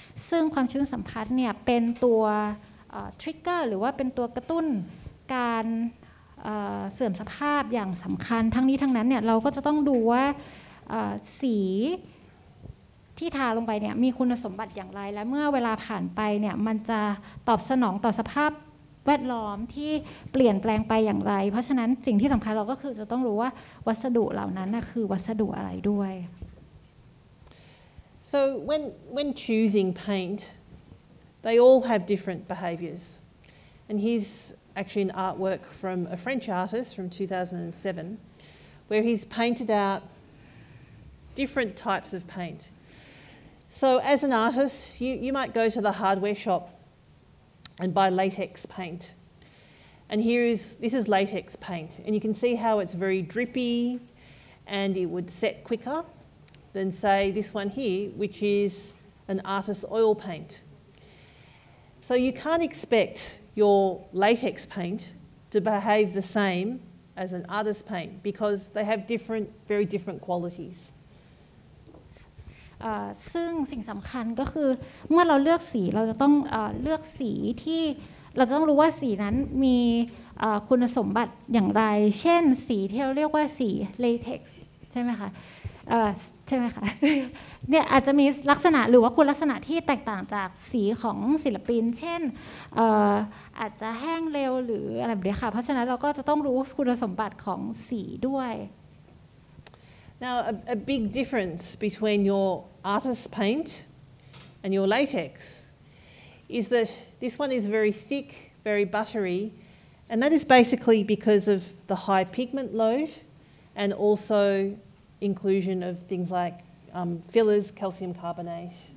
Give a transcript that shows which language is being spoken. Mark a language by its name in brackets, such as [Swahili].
[Thai] ซึ่งความชื้นสัมผัสเนี่ยเป็นตัว trigger หรือว่าเป็นตัวกระตุ้นการเสื่อมสภาพอย่างสำคัญทั้งนี้ทั้งนั้นเนี่ยเราก็จะต้องดูว่าสีที่ทาลงไปเนี่ยมีคุณสมบัติอย่างไรและเมื่อเวลาผ่านไปเนี่ยมันจะตอบสนองต่อสภาพแวดล้อมที่เปลี่ยนแปลงไปอย่างไรเพราะฉะนั้นสิ่งที่สำคัญเราก็คือจะต้องรู้ว่าวัสดุเหล่านั้นน่ะคือวัสดุอะไรด้วย [English] So when choosing paint they all have different behaviors and here's actually an artwork from a French artist from 2007 where he's painted outdifferent types of paint. So as an artist, you might go to the hardware shop and buy latex paint. And this is latex paint. And you can see how it's very drippy and it would set quicker than say this one here, which is an artist's oil paint. So you can't expect your latex paint to behave the same as an artist's paint because they have different, very different qualities. [Thai] ซึ่งสิ่งสำคัญก็คือเมื่อเราเลือกสีเราจะต้องเลือกสีที่เราจะต้องรู้ว่าสีนั้นมีคุณสมบัติอย่างไรเช่นสีที่เราเรียกว่าสีเลเท็กซ์ใช่ไหมคะใช่ไหมคะเนี่ยอาจจะมีลักษณะหรือว่าคุณลักษณะที่แตกต่างจากสีของศิลปินเช่นอาจจะแห้งเร็วหรืออะไรแบบนี้ค่ะเพราะฉะนั้นเราก็จะต้องรู้คุณสมบัติของสีด้วย [English] Now, a big difference between your artist's paint and your latex is that this one is very thick, very buttery, and that is basically because of the high pigment load and also inclusion of things like fillers, calcium carbonate.